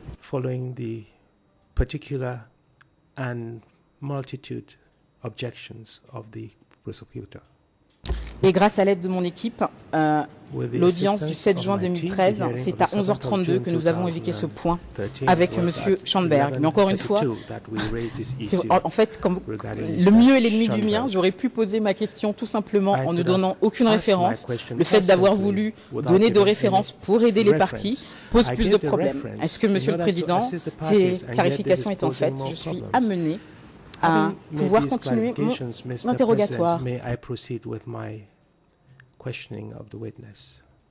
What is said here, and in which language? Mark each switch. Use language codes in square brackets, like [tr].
[en] Following the particular and multitude objections of the prosecutor. [fr] Et grâce à l'aide de mon équipe, l'audience du 7 juin 2013, c'est à 11h32 que nous avons évoqué ce point avec M. Schomburg. Mais encore une fois, le mieux est l'ennemi du mien. J'aurais pu poser ma question tout simplement en ne donnant aucune référence. Le fait d'avoir voulu donner de références pour aider les partis pose plus de problèmes. Est-ce que, Monsieur le Président, ces clarifications étant faites, je suis amené à pouvoir continuer mon interrogatoire? [en] May I proceed with my questioning of the witness?